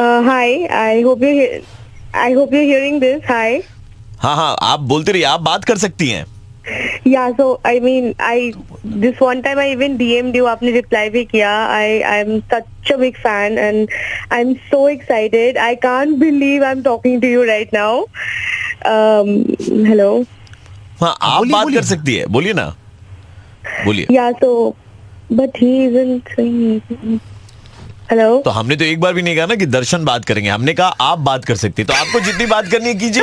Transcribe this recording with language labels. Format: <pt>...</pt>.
<en>Hi, I hope you're hearing this. Hi.</en> <hi>हाँ हाँ आप बोलते रहिए, आप बात कर सकती हैं।</hi> <en>Yeah, so I mean, I this one time I even DM'd you.</en> <hi>आपने reply भी किया.</hi> <en>I'm such a big fan and I'm so excited. I can't believe I'm talking to you right now. Hello.</en> <hi>हाँ आप बात कर सकती है. बोलिए ना. बोलिए.</hi> <en>Yeah, so but he isn't saying anything. Hello.</en> <hi>तो हमने तो एक बार भी नहीं कहा ना कि दर्शन बात करेंगे. हमने कहा आप बात कर सकती है, तो आपको जितनी बात करनी है कीजिए.</hi>